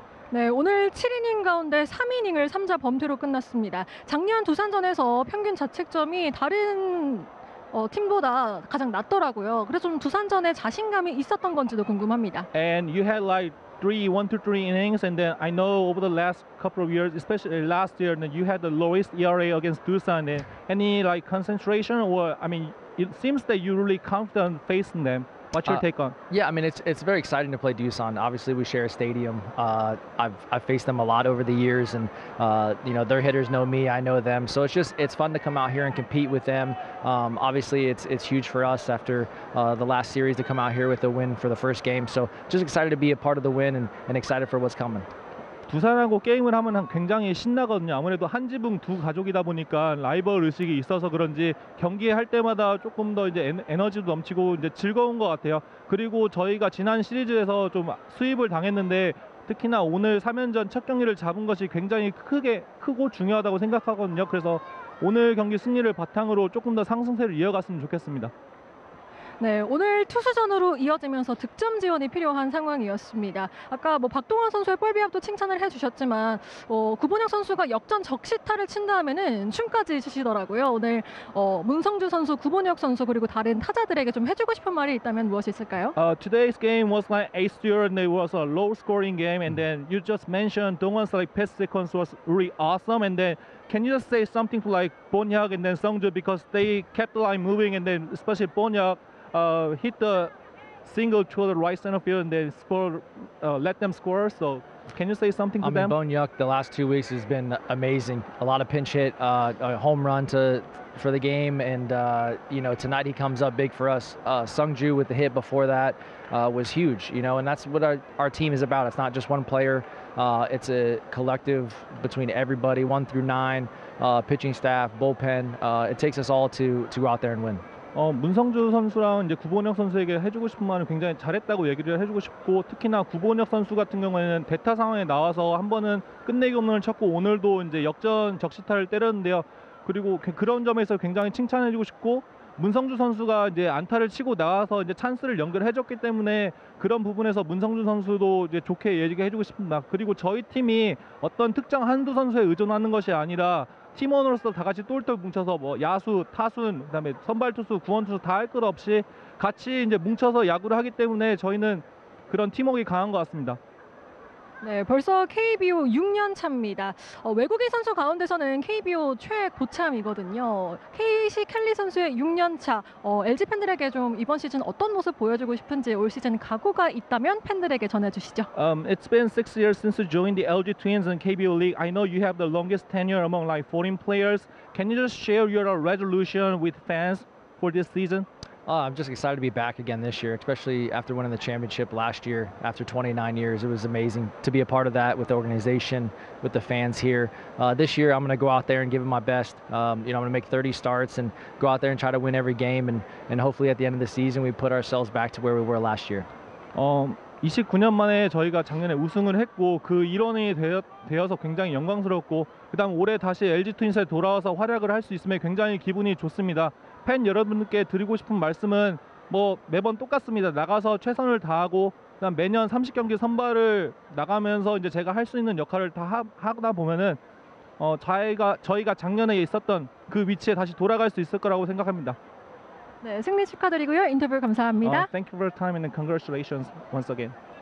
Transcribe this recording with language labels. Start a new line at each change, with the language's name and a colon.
Korean: 네, 오늘 7이닝 가운데 3이닝을 3자 범퇴로 끝났습니다. 작년 두산전에서 평균 자책점이 다른 팀보다 가장 낮더라고요. 그래서 좀 두산전에 자신감이 있었던 건지도 궁금합니다.
English: And you had like 1-3 innings, and then I know over the last couple of years, especially last year, you had the lowest ERA against Doosan. Any like concentration, or I mean, it seems that you're really confident facing them. What's your take on? Yeah, I mean, it's very exciting to play Doosan. Obviously, we share a stadium. I've faced them a lot over the years, and you know, their hitters know me, I know them. So it's fun to come out here and compete with them. Obviously, it's huge for us after the last series to come out here with a win for the first game. So just excited to be a part of the win and excited for what's coming.
Korean: 두산하고 게임을 하면 굉장히 신나거든요. 아무래도 한 지붕 두 가족이다 보니까 라이벌 의식이 있어서 그런지 경기할 때마다 조금 더 이제 에너지도 넘치고 이제 즐거운 것 같아요. 그리고 저희가 지난 시리즈에서 좀 수입을 당했는데 특히나 오늘 3연전 첫 경기를 잡은 것이 굉장히 크고 중요하다고 생각하거든요. 그래서 오늘 경기 승리를 바탕으로 조금 더 상승세를 이어갔으면 좋겠습니다. 네, 오늘 투수전으로 이어지면서 득점 지원이 필요한 상황이었습니다. 아까 뭐 박동원 선수의 볼비압도 칭찬을 해주셨지만 구본혁 선수가 역전 적시타를 친 다음에는 춤까지 추시더라고요. 오늘 문성주 선수, 구본혁 선수 그리고 다른 타자들에게 좀 해주고 싶은 말이 있다면 무엇이 있을까요?
English: Today's game was like ace duel and it was a low scoring game and then you just mentioned Dongwon's like pitch sequence was really awesome and then can you just say something to like Bonhyuk and then Sungju because they kept the line moving and then especially Bonhyuk hit the single to the right center field and then let them score. So can you say something to them? Bonhyuk the last 2 weeks has been amazing. A lot of pinch hit, a home run for the game. And, you know, tonight he comes up big for us. Sungju with the hit before that was huge, you know, and that's what our team is about. It's not just one player. It's a collective between everybody, 1-9, pitching staff, bullpen. It takes us all to go out there and win.
Korean: 문성주 선수랑 이제 구본혁 선수에게 해주고 싶은 말은 굉장히 잘했다고 얘기를 해주고 싶고 특히나 구본혁 선수 같은 경우에는 대타 상황에 나와서 한 번은 끝내기 홈런을 쳤고 오늘도 이제 역전 적시타를 때렸는데요. 그리고 그런 점에서 굉장히 칭찬해주고 싶고 문성주 선수가 이제 안타를 치고 나와서 이제 찬스를 연결해줬기 때문에 그런 부분에서 문성주 선수도 이제 좋게 얘기해주고 싶습니다. 그리고 저희 팀이 어떤 특정 한두 선수에 의존하는 것이 아니라 팀원으로서 다 같이 똘똘 뭉쳐서 뭐 야수, 타순, 그다음에 선발 투수, 구원 투수 다 할 것 없이 같이 이제 뭉쳐서 야구를 하기 때문에 저희는 그런 팀워크가 강한 것 같습니다. 네, 벌써 KBO 6년 차입니다. 외국인 선수 가운데서는 KBO 최고참이거든요. KC 켈리 선수의 6년 차, LG 팬들에게 좀 이번 시즌 어떤 모습 보여주고 싶은지 올 시즌 각오가 있다면 팬들에게 전해주시죠.
English: It's been 6 years since you joined the LG Twins in KBO League. I know you have the longest tenure among like foreign players. Can you just share your resolution with fans for this season? I'm just excited to be back again this year, especially after winning the championship last year after 29 years. It was amazing to be a part of that with the organization, with the fans here. This year, I'm going to go out there and give it my best. You know, I'm going to make 30 starts and go out there and try to win every game. And hopefully at the end of the season, we put ourselves back to where we were last year.
Korean: 29년 만에 저희가 작년에 우승을 했고 그 일원이 되어서 굉장히 영광스럽고 그 다음 올해 다시 LG 트윈스에 돌아와서 활약을 할 수 있음에 굉장히 기분이 좋습니다. 팬 여러분께 드리고 싶은 말씀은 뭐 매번 똑같습니다. 나가서 최선을 다하고 그다음 매년 30경기 선발을 나가면서 이제 제가 할 수 있는 역할을 다 하다 보면은 저희가 작년에 있었던 그 위치에 다시 돌아갈 수 있을 거라고 생각합니다. 네, 승리 축하드리고요. 인터뷰 감사합니다.
English: Thank you for your time and congratulations once again.